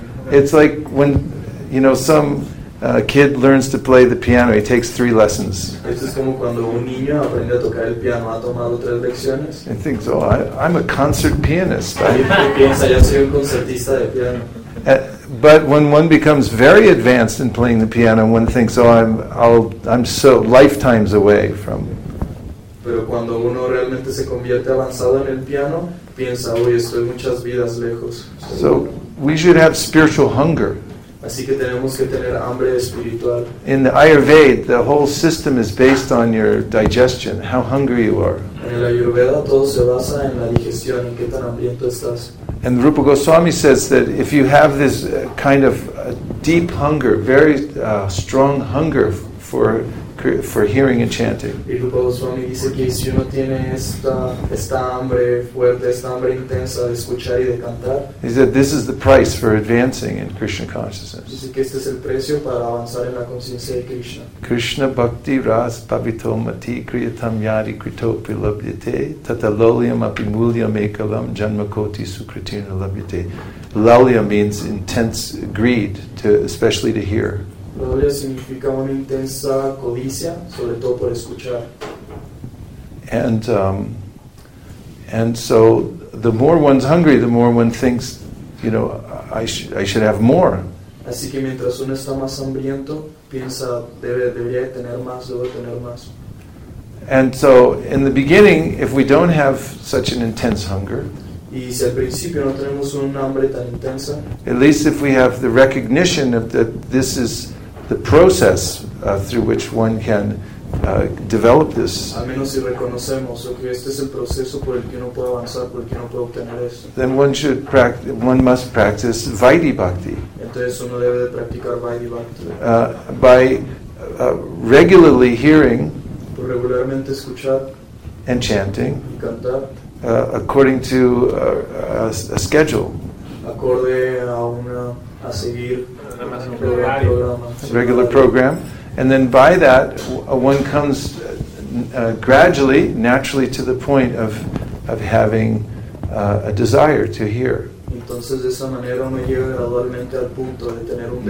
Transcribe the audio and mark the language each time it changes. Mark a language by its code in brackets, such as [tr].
[en] It's like when, you know, some kid learns to play the piano, he takes 3 lessons. [es] Esto es como cuando un niño aprende a tocar el piano, ha tomado 3 lecciones. [en] And thinks, oh, I'm a concert pianist. [es] Piensa, yo soy un concertista de piano. [en] But when one becomes very advanced in playing the piano, one thinks, oh, I'm so lifetimes away from. [es] Pero cuando uno realmente se convierte avanzado en el piano, piensa, hoy estoy muchas vidas lejos. [en] So we should have spiritual hunger. [es] Así que tenemos que tener hambre espiritual. [en] In the Ayurveda, the whole system is based on your digestion, how hungry you are. [es] En la Ayurveda todo se basa en la digestión, en qué tan hambriento estás. [en] And Rupa Goswami says that if you have this kind of deep hunger, very strong hunger for hearing and chanting. [es] Y Rupa Goswami dice que si uno tiene esta hambre fuerte, esta hambre intensa de escuchar y de cantar. [en] He said this is the price for advancing in Krishna consciousness. [es] Dice que este es el precio para avanzar en la conciencia de Krishna. [sa] Krishna bhakti ras pavito mati kriyatam yari kritopi labhyate tataloliam apimulyam ekalam janmakoti sukritina labhyate. [en] Lalya means intense greed, especially to hear. [es] Lalya significa una intensa codicia, sobre todo por escuchar. [en] And so the more one's hungry, the more one thinks, you know, I should have more. [es] Así que mientras uno está más hambriento, piensa debería tener más, debo tener más. [en] And so in the beginning, if we don't have such an intense hunger. [es] Y si al principio no tenemos un hambre tan intensa. [en] At least if we have the recognition of that this is the process through which one can develop this. [es] Al menos si reconocemos que este es el proceso por el que uno puede avanzar, por el que uno puede obtener eso. [en] Then one should practice. One must practice vaidhi bhakti. [es] Entonces uno debe de practicar vaidhi bhakti. [en] By regularly hearing. [es] Por regularmente escuchar. [en] And chanting. [es] Y cantar. [en] According to a schedule. [es] Acorde a una a seguir. [en] Regular program, and then by that one comes gradually, naturally to the point of having a desire to hear. [es] Entonces de esa manera uno llega gradualmente al punto de tener un deseo.